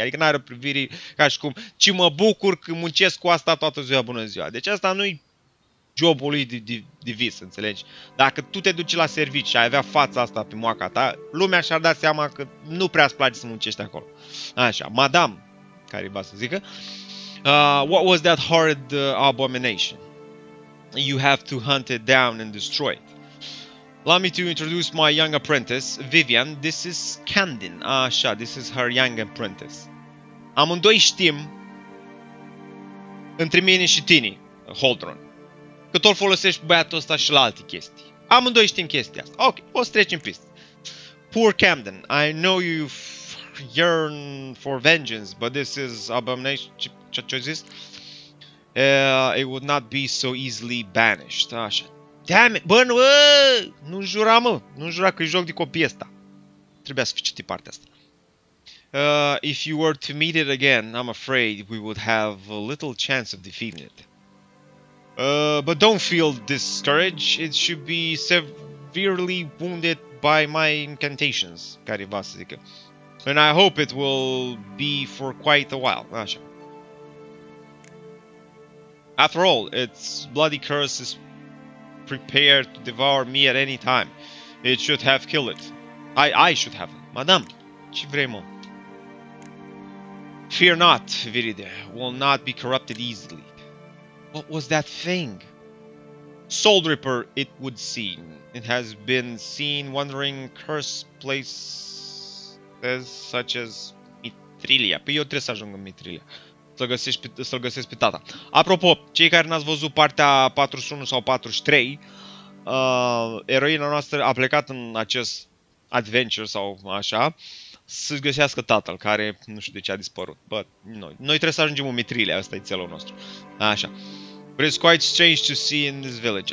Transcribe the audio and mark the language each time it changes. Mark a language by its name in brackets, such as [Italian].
[Romanian] Adică n-are privire ca și cum, ci mă bucur că muncesc cu asta toată ziua, bună ziua. Deci asta nu-i jobul lui de vis, înțelegi? Dacă tu te duci la servici și ai avea fața asta pe moaca ta, lumea și-ar da seama că nu prea îți place să muncești acolo. Așa, madame, care va să zică. [English] What was that horrid abomination? You have to hunt it down and destroy it. Allow me to introduce my young apprentice, Vivian. This is Candin. Așa, this is her young apprentice. [Romanian] Amândoi știm între mine și tine, Holdron, că tot folosești băiatul ăsta și la alte chestii. Amândoi știm chestia asta. Ok, o să trecem peste. [English] Poor Camden, I know you yearn for vengeance, but this is abomination. [Romanian] Ce-o zis? [English] It would not be so easily banished. [Romanian] Așa. [English] Damn it! [Romanian] Bă, nu! Nu jura, mă! Nu jura că e joc de copii ăsta. Trebuia să fi citit partea asta. [English] If you were to meet it again, I'm afraid we would have a little chance of defeating it. But don't feel discouraged. It should be severely wounded by my incantations, [Romanian] care va să zică. [English] And I hope it will be for quite a while. [Romanian] Așa. [English] After all, its bloody curse is prepared to devour me at any time. It should have killed it. I should have. Madame, [Romanian] ce vrei, mă? [English] Fear not, Viride. Will not be corrupted easily. What was that thing? Soul Reaper, it would seem. It has been seen wandering cursed places such as Mithrilia. [Romanian] Păi eu trebuie să ajung în Mithrilia. Să-l găsesc pe tata. Apropo, cei care n-ați văzut partea 41 sau 43, eroina noastră a plecat în acest adventure sau așa, să-și găsească tatăl, care nu știu de ce a dispărut. Bă, noi trebuie să ajungem în Mithrilia, ăsta e țelul nostru. Așa. [English] But it's quite strange to see in this village.